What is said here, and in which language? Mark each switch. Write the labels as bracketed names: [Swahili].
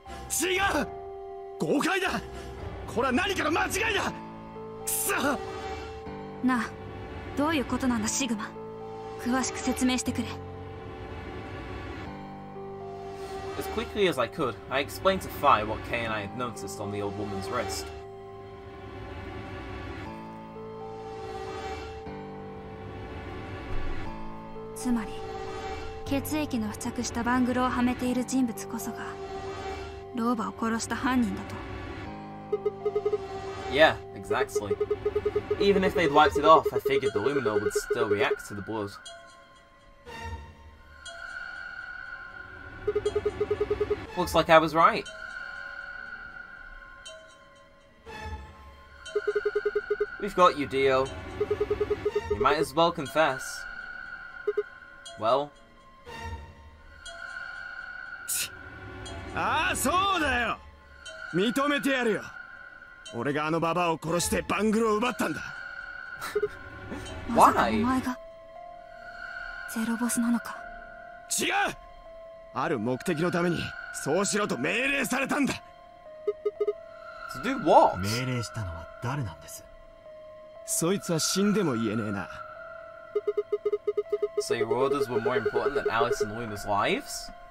[Japanese] 違う!誤解だ!これは何かの間違いだ! な、どういうことなんだ、シグマ? 詳しく説明してくれ。 [English] As quickly as I could, I explained to Fi what Kay and I had noticed on the old woman's wrist. [Japanese] つまり、血液の付着したバングルをはめている人物こそが、老婆を殺した犯人だと。 [English] Yeah, exactly. Even if they'd wiped it off, I figured the luminol would still react to the blood. Looks like I was right. We've got you, Dio. You might as well confess. Well? [Japanese] ああ、そうだよ。認めてやるよ。俺があのババアを殺してバングルを奪ったんだ。 [English] Why? [Japanese] まさかお前がゼロボスなのか? 違う! ある目的のためにそうしろと命令されたんだ。 [English] To do what? [Japanese] 命令したのは誰なんです? そいつは死んでも言えねえな。 [English] So your orders were more important than Alice and Luna's lives?